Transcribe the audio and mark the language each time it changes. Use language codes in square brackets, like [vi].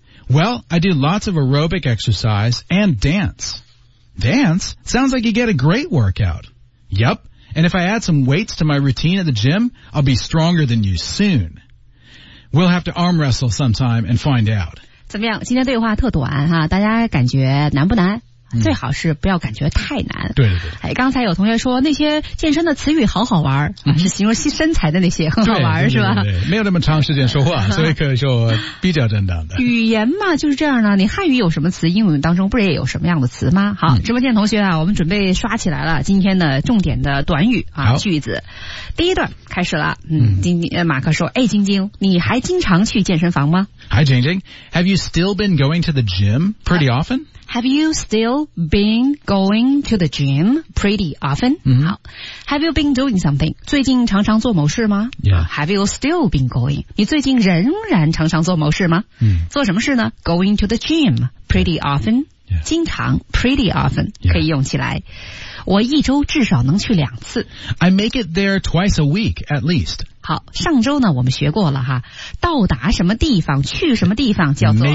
[en] Well, I do lots of aerobic exercise and dance. Dance? Sounds like you get a great workout. Yep. And if I add some weights to my routine at the gym, I'll be stronger than you soon. We'll have to arm wrestle sometime and find out. [zh] 怎么样？今天对话特短哈，大家感觉难不难？最好是不要感觉太难。对对对。哎，刚才有同学说那些健身的词语好好玩，是形容身材的那些很好玩，对对对对，是吧？没有那么长时间说话，所以可以说比较正当的。语言嘛，就是这样呢。你汉语有什么词，英文当中不是也有什么样的词吗？好，直播间同学啊，我们准备刷起来了。今天的重点的短语啊，句子，第一段开始了。马克说：“哎，晶晶，你还经常去健身房吗 [en] ？”Hi, Jingjing. Have you still been going to the gym pretty often? Have you still been going to the gym pretty often?、 Mm-hmm. 好 Have you been doing something? [zh] 最近常常做某事吗 [en] Yeah. Have you still been going? [zh] 你最近仍然常常做某事吗、 mm-hmm. 做什么事呢 [en] Going to the gym pretty often.、 Yeah. [zh] 经常 [en] pretty often、 yeah. [zh] 可以用起来。我一周至少能去两次。 [en] I make it there twice a week at least. [zh] 好上周呢我们学过了哈到达什么地方去什么地方叫做